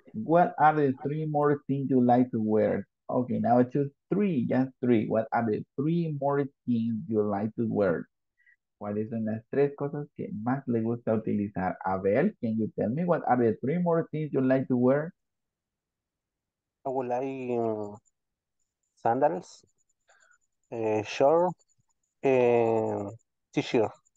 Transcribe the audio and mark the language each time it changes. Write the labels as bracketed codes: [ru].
[en] What are the three more things you like to wear? Okay, now choose three, just three. What are the three more things you like to wear? [es] ¿Cuáles son las tres cosas que más le gusta utilizar? [en] Abel, can you tell me what are the three more things you like to wear? I would like sandals, shorts, and t-shirt.